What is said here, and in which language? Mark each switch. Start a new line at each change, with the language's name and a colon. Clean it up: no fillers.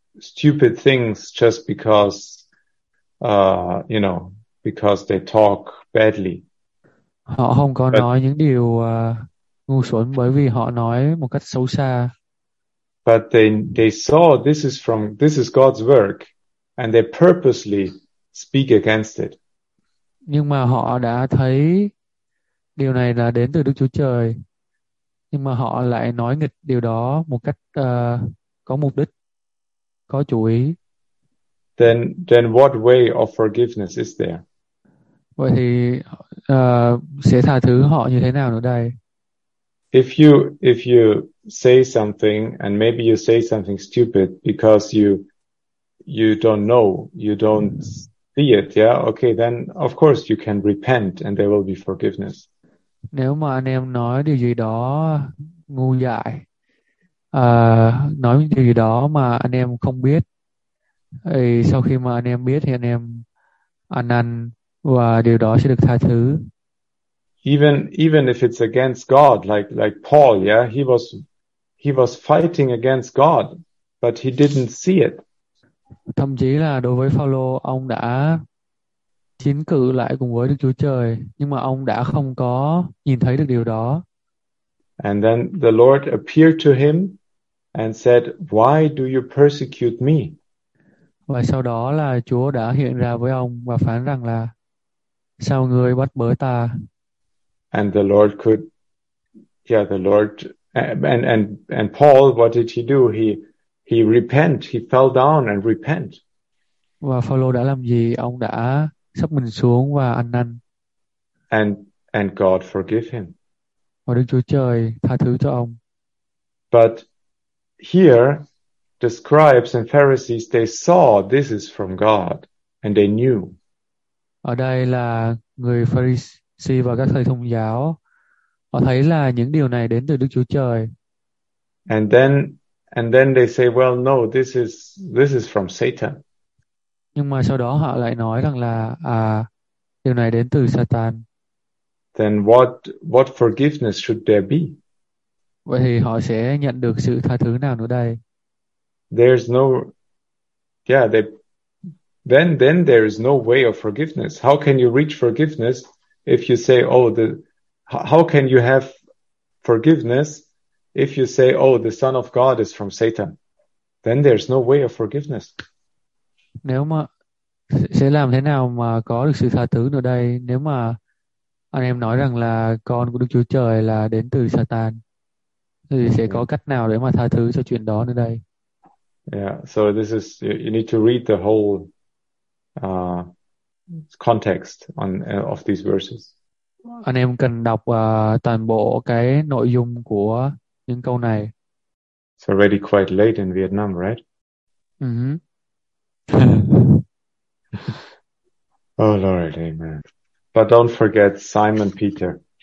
English: stupid things just because, you know, because they talk badly.
Vietnamese: Họ không có nói những điều ngu xuẩn bởi vì họ nói một cách xấu xa.
English: But they saw this is God's work, and they purposely speak against it.
Vietnamese: Nhưng mà họ đã thấy điều này là đến từ Đức Chúa Trời, nhưng mà họ lại nói nghịch điều đó một cách có mục đích, có chủ ý.
English: Then what way of forgiveness is there?
Vietnamese: Vậy thì sẽ tha thứ họ như thế nào nữa đây?
English: If you say something and maybe you say something stupid because you don't know, you don't see it, yeah, okay, then of course you can repent and there will be forgiveness.
Vietnamese: Nếu mà anh em nói điều gì đó ngu dại, nói điều gì đó mà anh em không biết, thì sau khi mà anh em biết thì anh em ăn năn và điều đó sẽ được tha thứ.
English: Even if it's against God, like Paul, yeah, he was fighting against God, but he didn't see it.
Vietnamese: Thậm chí là đối với Phaolô, ông đã chiến cự lại cùng với Đức Chúa Trời, nhưng mà ông đã không có nhìn thấy được điều đó.
English: And then the Lord appeared to him and said, "Why do you persecute me?"
Vietnamese: Và sau đó là Chúa đã hiện ra với ông và phán rằng là sao ngươi bắt bớ ta?
English: And the Lord could, yeah, the Lord, and Paul, what did he do? He repent, he fell down and repent.
Vietnamese: Và Phaolô đã làm gì? Ông đã sắp mình xuống và ăn năn.
English: And God forgive him.
Vietnamese: Và Đức Chúa Trời tha thứ cho ông.
English: But here, the scribes and Pharisees, they saw this is from God, and they knew.
Vietnamese: Ở đây là người Pharisee và các thầy thông giáo, họ thấy là những điều này đến từ Đức Chúa Trời.
English: And then they say, well, no, this is from Satan.
Vietnamese: Nhưng mà sau đó họ lại nói rằng là điều này đến từ Satan.
English: Then what forgiveness should there be?
Vietnamese: Vậy thì họ sẽ nhận được sự tha thứ nào nữa đây?
English: There's no, yeah, then there is no way of forgiveness. How can you reach forgiveness if you say, oh, how can you have forgiveness if you say, oh, the Son of God is from Satan? Then there's no way of forgiveness.
Vietnamese: Nếu mà sẽ làm thế nào mà có được sự tha thứ nữa đây nếu mà anh em nói rằng là con của Đức Chúa Trời là đến từ Satan, thì sẽ có cách nào để mà tha thứ cho chuyện đó nữa đây?
English: Yeah, so this is, you need to read the whole context of these verses.
Vietnamese: Anh em cần đọc toàn bộ cái nội dung của những câu này.
English: It's already quite late in Vietnam, right? Mm-hmm. Oh Lord, amen. But don't forget Simon Peter.